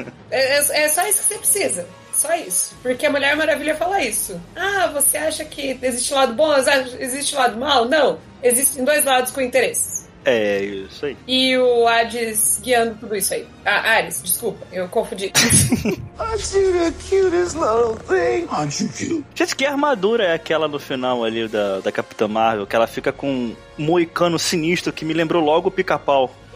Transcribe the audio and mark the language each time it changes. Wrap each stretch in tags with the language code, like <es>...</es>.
<pt>É só isso que você precisa. Só isso. Porque a Mulher Maravilha fala isso. Ah, você acha que existe lado bom, existe lado mal? Não. Existem dois lados com interesses. É isso aí. E o Hades guiando tudo isso aí. Ah, Ares, desculpa, eu confundi.</pt> <en>Aren't you the cutest little thing? Aren't you cute?</en> <pt>Gente, que armadura é aquela no final ali da Capitã Marvel? Que ela fica com um moicano sinistro que me lembrou logo o Pica-Pau.</pt>